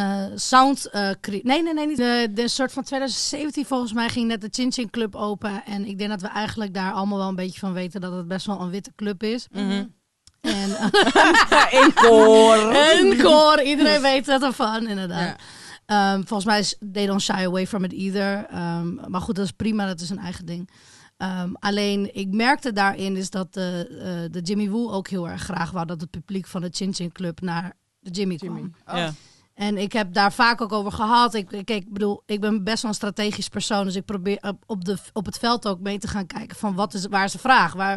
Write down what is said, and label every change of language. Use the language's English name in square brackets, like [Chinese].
[Dutch] Een soort van 2017 volgens mij ging net de Chin Chin Club open. En ik denk dat we eigenlijk daar allemaal wel een beetje van weten dat het best wel een witte club is. Mm-hmm. En encore. Iedereen weet dat ervan, inderdaad. Ja. Volgens mij is [English] they don't shy away from it either. [Dutch] Maar goed, dat is prima. Dat is een eigen ding. Alleen, ik merkte daarin is dat de Jimmy Woo ook heel erg graag wou dat het publiek van de Chin Chin Club naar de Jimmy kwam. Oh. Yeah. En ik heb daar vaak ook over gehad. Ik bedoel, ik ben best wel een strategisch persoon. Dus ik probeer op het veld ook mee te gaan kijken van waar is de vraag?